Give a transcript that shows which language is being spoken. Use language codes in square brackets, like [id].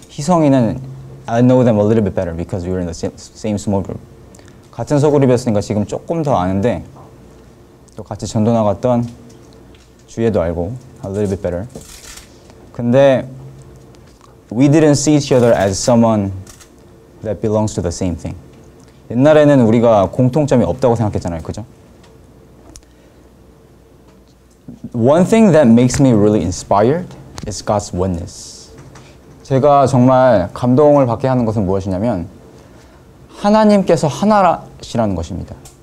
[en] 희성이는 I know them a little bit better because we were in the same small group. [ko] 같은 소그룹이었으니까 지금 조금 더 아는데 또 같이 전도 나갔던 주예도 알고 [en] a little bit better. 근데 we didn't see each other as someone that belongs to the same thing. [ko] 옛날에는 우리가 공통점이 없다고 생각했잖아요, 그죠? [en] One thing that makes me really inspired is God's oneness. [ko] 제가 정말 감동을 받게 하는 것은 무엇이냐면 하나님께서 하나시라는 것입니다.